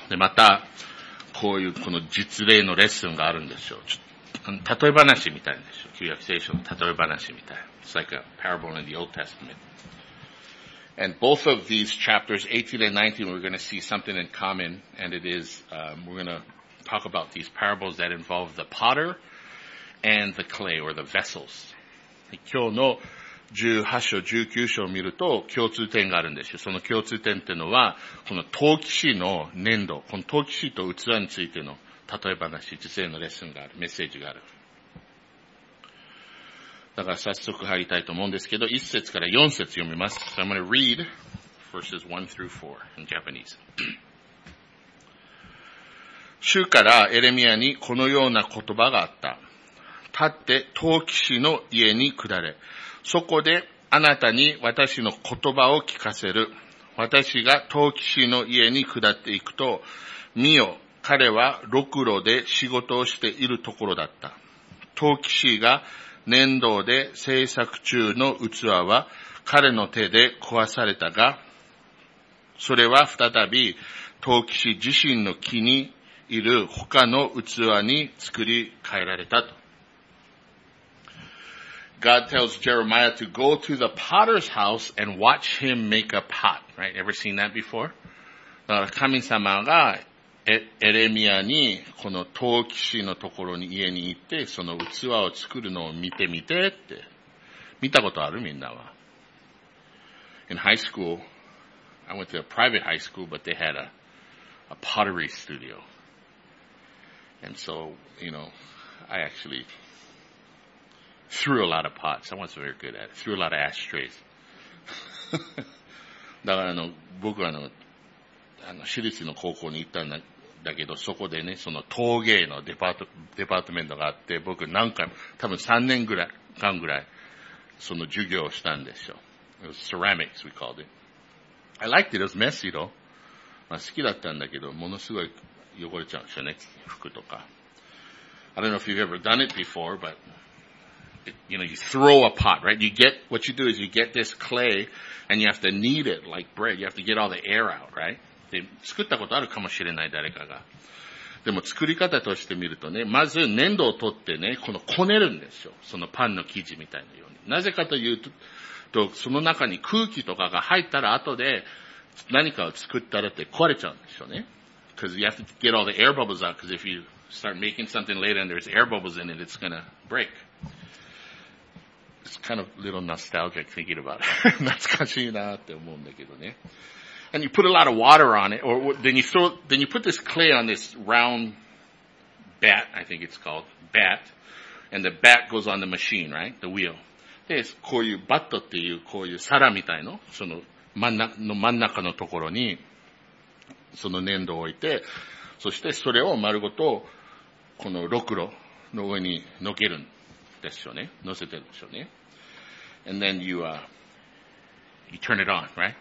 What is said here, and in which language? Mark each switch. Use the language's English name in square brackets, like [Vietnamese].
[Japanese] で、また、こういうこの実例のレッスンがあるんですよ。例え話みたいんですよ。旧約聖書の例え話みたい。 [English] It's like a parable in the Old Testament. And both of these chapters, 18 and 19, we're going to see something in common, and it is, we're going to talk about these parables that involve the potter and the clay, or the vessels. [Japanese] 今日の18章、19章を見ると共通点があるんですよ。その共通点っていうのは、この陶器師の粘土、この陶器師と器についての例え話、実際のレッスンがある、メッセージがある。だから早速入りたいと思うんですけど、1節から4節読みます。 [English] So、I'm going to read verses 1 through 4 in Japanese. [Japanese] 主からエレミアにこのような言葉があった。立って陶器師の家に下れ。そこであなたに私の言葉を聞かせる。私が陶器師の家に下っていくと、見よ、彼はろくろで仕事をしているところだった。陶器師が粘土で製作中の器は彼の手で壊されたが、それは再び陶器師自身の木にいる他の器に作り変えられたと。 [English] God tells Jeremiah to go to the potter's house and watch him make a pot. Right? Ever seen that before? [Japanese] だから神様がエレミアにこの陶器師のところに家に行ってその器を作るのを見てみてって。見たことあるみんなは。 [English] In high school, I went to a private high school, but they had a pottery studio. And so, you know, I actually... threw a lot of pots. I wasn't very good at it. Threw a lot of ashtrays. [Japanese] だから僕は私立の高校に行ったんだけど、そこでね、その陶芸のデパートメントがあって、僕何回も、多分3年ぐらい、間ぐらい、その授業をしたんですよ。 [English] It was ceramics, we called it. I liked it. It was messy, though. [Japanese] まあ好きだったんだけど、ものすごい汚れちゃうんですよね、服とか。 [English] I don't know if you've ever done it before, but... You know, you throw a pot, right? You get, what you do is you get this clay and you have to knead it like bread. You have to get all the air out, right? [Japanese] で、作ったことあるかもしれない、誰かが。でも作り方としてみるとね、まず粘土を取ってね、このこねるんですよ。そのパンの生地みたいなように。なぜかというと、その中に空気とかが入ったら後で何かを作ったらって壊れちゃうんですよね。 [English] Because you have to get all the air bubbles out, because if you start making something later and there's air bubbles in it, it's gonna break. It's kind of a little nostalgic thinking about it. [Japanese] 懐かしいなって思うんだけどね。 [English] And you put a lot of water on it, or then you put this clay on this round bat, I think it's called, bat, and the bat goes on the machine, right? The wheel. [Japanese] で、こういうバットっていう、こういう皿みたいの、その真ん中のところに、その粘土を置いて、そしてそれを丸ごと、このろくろの上に乗ける。 [English] And then you turn it on, right?